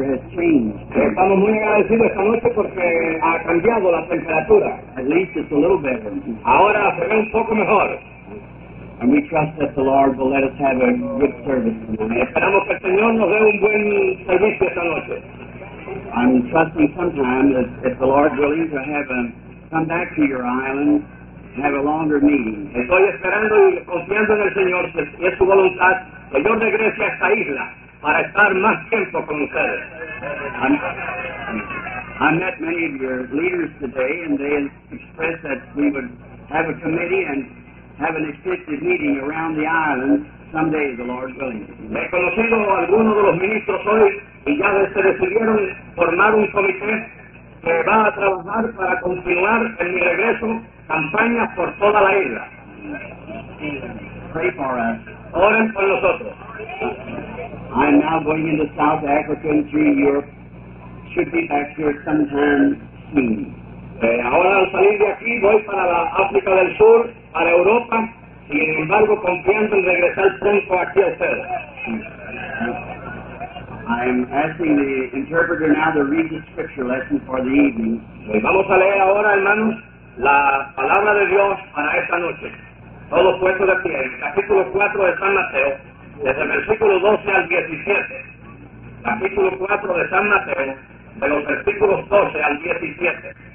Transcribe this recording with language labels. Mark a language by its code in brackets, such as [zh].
[es] Estamos muy agradecidos esta noche porque ha cambiado la temperatura. [en] At least it's a little better. [es] Ahora se ve un poco mejor. [en] And we trust that the Lord will let us have a good service tonight. [es] Esperamos que el Señor nos dé un buen servicio esta noche. [en] I'm trusting sometime that if the Lord willing to have a come back to your island and have a longer meeting. [es] Estoy esperando y confiando en el Señor que es su voluntad que yo regrese a esta isla para estar más tiempo con ustedes. [en] I met many of your leaders today and they expressed that we would have a committee and have an extensive meeting around the island someday, the Lord willing. [es] He conocido a algunos de los ministros hoy y ya se decidieron formar un comité que va a trabajar para continuar en mi regreso campañas por toda la isla. [en] Pray for us. [es] Oren por nosotros. [en] I am now going into South Africa and through Europe. Should be back here sometime soon. [es] Ahora al salir de aquí voy para la África del Sur, para Europa, sin embargo confiando en regresar pronto aquí a ustedes. [en] I'm asking the interpreter now to read the scripture lesson for the evening. [es] Pues vamos a leer ahora, hermanos, la palabra de Dios para esta noche. Todo puesto de pie, en el capítulo 4 de San Mateo, desde el versículo 12 al 17. Capítulo 4 de San Mateo, de los versículos 12 al 17.